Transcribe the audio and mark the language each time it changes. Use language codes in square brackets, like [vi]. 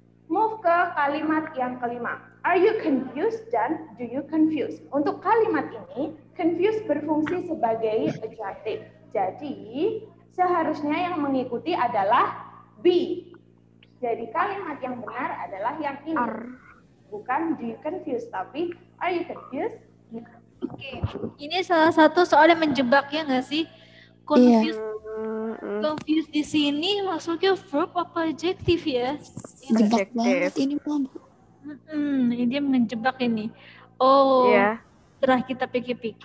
[en] Move [id] ke kalimat yang kelima. [en] Are you confused [id] dan [en] do you confuse? [id] Untuk kalimat ini, confuse berfungsi sebagai adjective. Jadi, seharusnya yang mengikuti adalah be. Jadi, kalimat yang benar adalah yang ini. Bukan [en] do you confuse, [id] tapi [en] are you confused? Oke, okay. [id] Ini salah satu soal yang menjebak, ya nggak sih? [en] Confused, yeah. [id] Confused di sini maksudnya verb apa adjective, ya? Jebak banget ini, Mom. Ini dia menjebak ini. Oh, yeah. Setelah kita pikir-pikir.